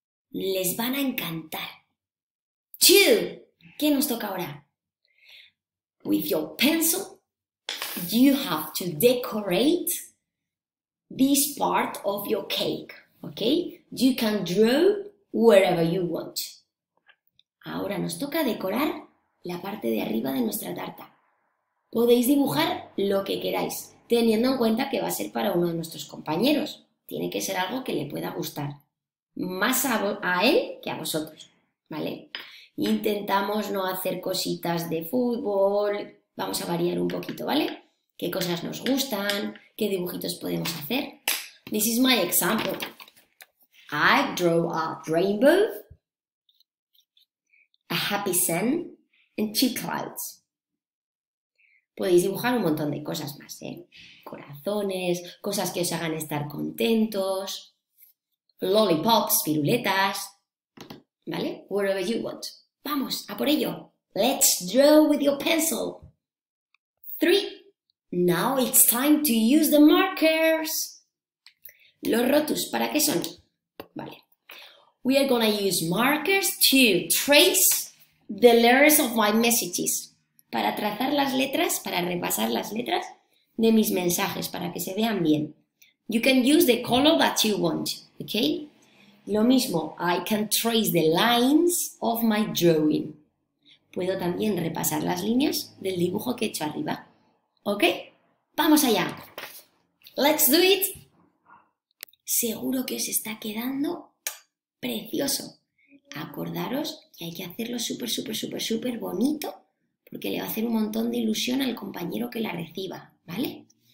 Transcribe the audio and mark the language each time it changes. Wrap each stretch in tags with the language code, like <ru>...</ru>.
<es>Les van a encantar. ¡Chu! ¿Qué nos toca ahora?</es> <en>With your pencil, you have to decorate this part of your cake, ¿ok? You can draw wherever you want.</en> <es>Ahora nos toca decorar la parte de arriba de nuestra tarta. Podéis dibujar lo que queráis, teniendo en cuenta que va a ser para uno de nuestros compañeros. Tiene que ser algo que le pueda gustar. Más a él que a vosotros, ¿vale? Intentamos no hacer cositas de fútbol. Vamos a variar un poquito, ¿vale? ¿Qué cosas nos gustan? ¿Qué dibujitos podemos hacer? This is my example.</es> <en>I draw a rainbow, a happy sun, and 2 clouds.</en> <es>Podéis dibujar un montón de cosas más, ¿eh? Corazones, cosas que os hagan estar contentos, lollipops, piruletas, ¿vale? Whatever you want.</es> <en>Vamos, a por ello. Let's draw with your pencil. 3. Now it's time to use the markers. ¿Los rotus para qué son? Vale. We are gonna use markers to trace the letters of my messages.</en> <es>Para trazar las letras, para repasar las letras de mis mensajes, para que se vean bien.</es> <en>You can use the color that you want, ¿ok? Lo mismo, I can trace the lines of my drawing.</en> <es>Puedo también repasar las líneas del dibujo que he hecho arriba.</es> <en>¿Ok? ¡Vamos allá! ¡Let's do it!</en> <es>Seguro que os está quedando precioso. Acordaros que hay que hacerlo súper, súper, súper, súper bonito porque le va a hacer un montón de ilusión al compañero que la reciba, ¿vale?</es>